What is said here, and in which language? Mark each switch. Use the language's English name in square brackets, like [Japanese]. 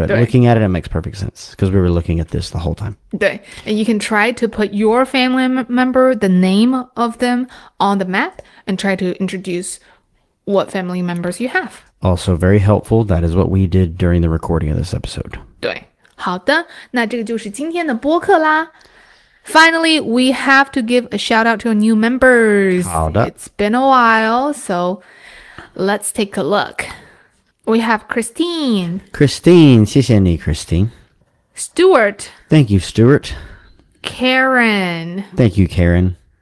[English] But looking at it, it makes perfect sense because we were looking at this the whole time. 对, and you can try to put your family member, the name of them, on the map and try to introduce what family members you have. Also very helpful, that is what we did during the recording of this episode. [Chinese] 对。好的，那这个就是今天的播客啦。 [English] Finally, we have to give a shout out to our new members. [Chinese] 好的。 [English] It's been a while, so let's take a look. We have Christine. [Chinese] Christine, 谢谢你, Christine. [English] Stuart. Thank you, Stuart. Karen. Thank you, Karen.